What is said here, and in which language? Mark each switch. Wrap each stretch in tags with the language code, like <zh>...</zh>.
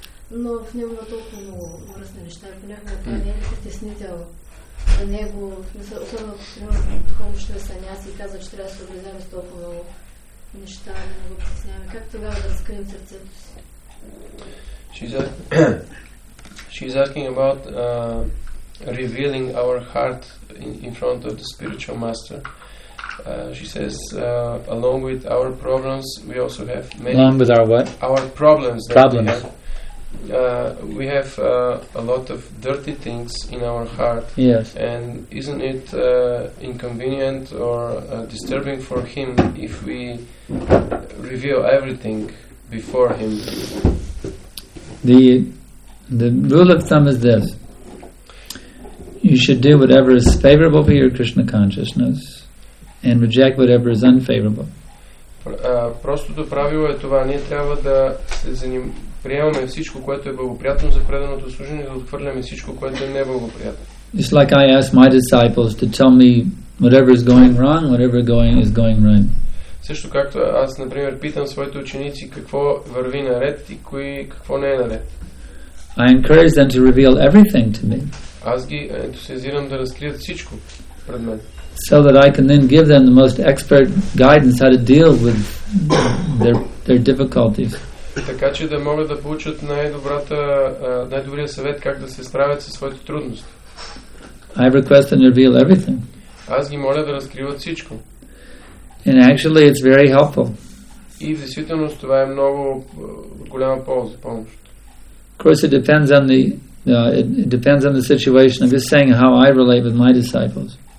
<bg>Но в него има толкова много връзни неща. Ако някога това не е притеснител за него, особено ако приемаме духовно ще е саняси и казва, че трябва да се облезем с толкова много неща, да не го притесняваме. Как тогава да разкрием сърцето си?</bg> <en>She's asking about revealing our heart in front of the spiritual master. She says, along with our problems, we also have many... Along with our what? Our problems. Problems. We have, a lot of dirty things in our heart. Yes. And isn't it inconvenient or disturbing for him if we reveal everything before him? The rule of thumb is this. You should do whatever is favorable for your Krishna consciousness and reject whatever is unfavorable.</en> <bg>Простото правило е това. Ние трябва да се приемаме всичко, което е благоприятно за преданото служение, и да отхвърляме всичко, което е неблагоприятно.</bg> <en>It's like I ask my disciples to tell me whatever is going wrong, whatever is going right.</en> <bg>Също както аз, например, питам своите ученици какво върви наред и кои, какво не е наред.</bg> <en>I encourage them to reveal everything to me.</en> <bg>Аз ги ентусиазирам да разкрият всичко пред мен.</bg> <en>So that I can then give them the most expert guidance how to deal with their difficulties.</en> <bg>Така че да могат да получат най-добрия съвет как да се справят със своите трудности.</bg> <en>I request them to reveal everything.</en> <bg>Аз ги моля да разкриват всичко.</bg> <en>And actually it's very helpful.</en> <bg>И в действителност това е много голяма полза, помощ.</bg> <en>Of course it depends on the situation. I'm just saying how I relate with my disciples.</en>